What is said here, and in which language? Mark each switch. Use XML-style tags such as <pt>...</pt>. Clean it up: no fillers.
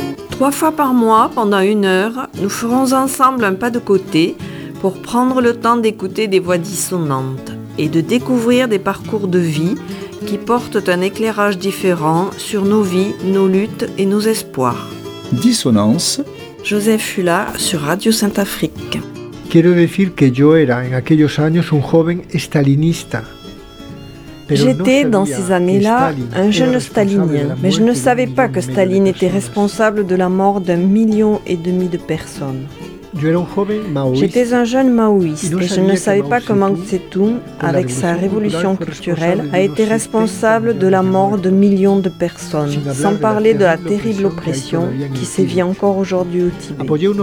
<fr>Trois fois par mois, pendant une heure, nous ferons ensemble un pas de côté pour prendre le temps d'écouter des voix dissonantes et de découvrir des parcours de vie qui portent un éclairage différent sur nos vies, nos luttes et nos espoirs. Dissonance. Joseph Fula sur Radio Saint-Afrique.</fr> <es>Quiero decir que yo era en aquellos años un joven estalinista.</es> <fr>J'étais dans ces années-là un jeune stalinien, mais je ne savais pas que Staline était responsable de la mort d'un million et demi de personnes. J'étais un jeune maoïste et je ne savais pas que Mao Tse-tung, avec sa révolution culturelle, a été responsable de la mort de millions de personnes, sans parler de la terrible oppression qui sévit encore aujourd'hui au Tibet.</fr>